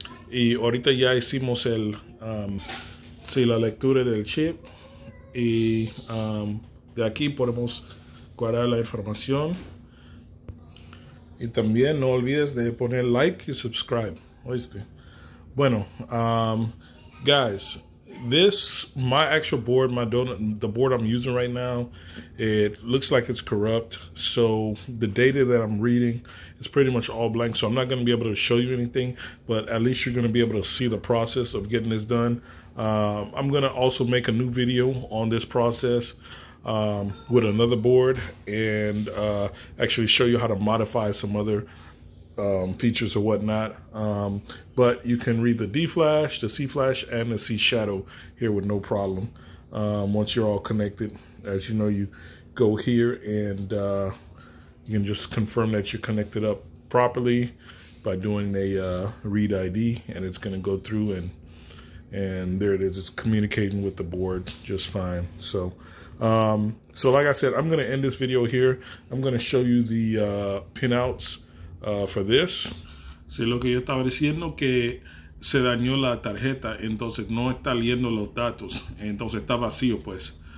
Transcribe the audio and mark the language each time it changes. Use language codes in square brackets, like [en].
[es] Y ahorita ya hicimos el, la lectura del chip. Y de aquí podemos guardar la información. Y también no olvides de poner like y subscribe, ¿oíste? Bueno, guys, [en] this, my actual board, my donut, the board I'm using right now, it looks like it's corrupt. So the data that I'm reading is pretty much all blank. So I'm not going to be able to show you anything, but at least you're going to be able to see the process of getting this done. I'm going to also make a new video on this process with another board and actually show you how to modify some other features or whatnot, but you can read the D flash, the C flash, and the C shadow here with no problem. Once you're all connected, as you know, you go here and you can just confirm that you're connected up properly by doing a read ID, and it's going to go through and there it is. It's communicating with the board just fine. So so like I said, I'm going to end this video here. I'm going to show you the pinouts for this. [es] Sí, lo que yo estaba diciendo que se dañó la tarjeta, entonces no está leyendo los datos, entonces está vacío, pues.